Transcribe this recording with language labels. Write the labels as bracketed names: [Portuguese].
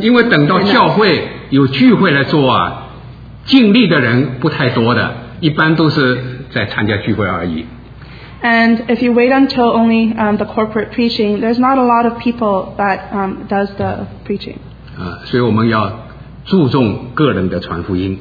[Chinese] 因为等到教会有聚会来做啊，尽力的人不太多的。 [English] And if you wait until only the corporate preaching, there's not a lot of people that does the preaching. [Chinese] 所以我们要注重个人的传福音。